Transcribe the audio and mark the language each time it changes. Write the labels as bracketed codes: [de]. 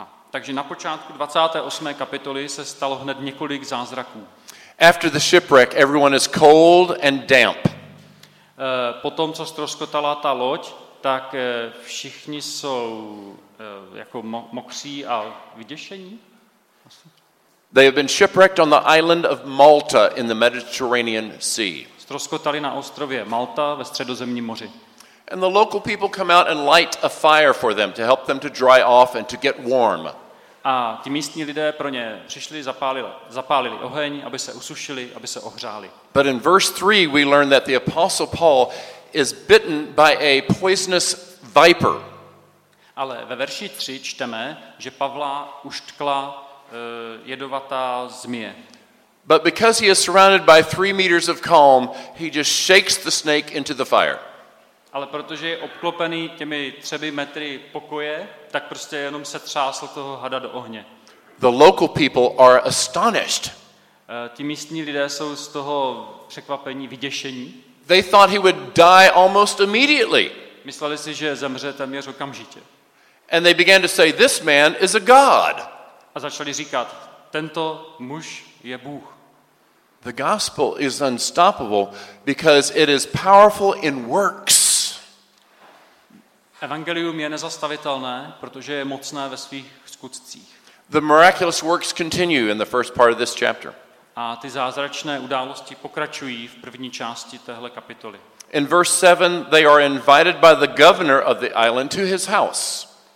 [cs] Takže na počátku 28. kapitoly se stalo hned několik zázraků. [en] After the shipwreck, everyone is cold and damp. [cs] Potom, co ztroskotala ta loď, tak všichni jsou jako mokří a vyděšení. [en] They have been shipwrecked on the island of Malta in the Mediterranean Sea. [cs] Ztroskotali na ostrově Malta ve Středozemním moři. [en] And the local people come out and light a fire for them to help them to dry off and to get warm. [cs] A ti místní lidé pro ně přišli, zapálili oheň, aby se usušili, aby se ohřáli. [en] But in verse 3 we learn that the apostle Paul is bitten by a poisonous viper. [cs] Ale ve verši 3 čteme, že Pavla uštkla jedovatá zmije. [en] But because he is surrounded by 3 meters of calm, he just shakes the snake into the fire. [cs] Ale protože je obklopený těmi 3 metry pokoje, tak prostě jenom se třásl toho hada do ohně. [en] The local people are astonished. [cs] Ti místní lidé jsou z toho překvapení, vyděšení. [en] They thought he would die almost immediately. [cs] Mysleli si, že zemře téměř okamžitě. [en] And they began to say, this man is a god. [cs] A začali říkat, tento muž je Bůh. [en] The gospel is unstoppable because it is powerful in works. [cs] Evangelium je nezastavitelné, protože je mocné ve svých skutcích. [en] The miraculous works continue in the first part of this chapter. [cs] A ty zázračné události pokračují v první části téhle kapitoly. [en] In verse 7 they are invited by the governor of the island to his house.